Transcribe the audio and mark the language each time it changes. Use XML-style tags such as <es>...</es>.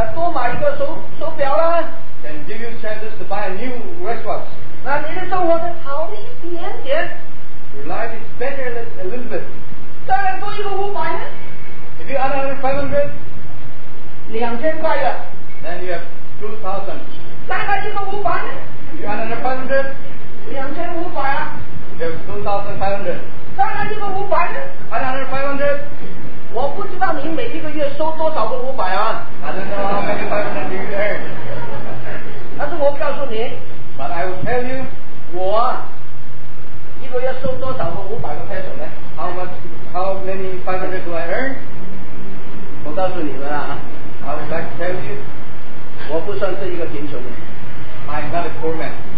<zh>可能给你多买一个手表呢？</zh> <en>Can give you chances to buy a new wristwatch.</en> <zh>那你的生活就好了一点点。</zh> <en>Your life is better a little bit.</en> <zh>再来多一个500呢？</zh> <en>If you add another 500,</en> <zh>2000块了。</zh> <en>Then you have 2000.</en> <zh>再来一个500呢？</zh> <en>If you add another 500,</en> <zh>2500啊。</zh> <en>You have 2500.</en> <zh>再来一个500呢？</zh> <en>Add another 500.</en> <zh>我不知道你每一个月收多少个500啊。</zh> <en>I don't know how many 500 do you earn.</en> <zh>但是我告诉你，</zh> <en>But I will tell you,</en> <zh>我一个月收多少个500个pesos呢？</zh> <en>How many 500 do I earn?</en> <zh>我告诉你们啊，</zh> <en>I would like to tell you,</en> <zh>我不算是一个贫穷的。</zh> <en>I'm not a poor man.</en>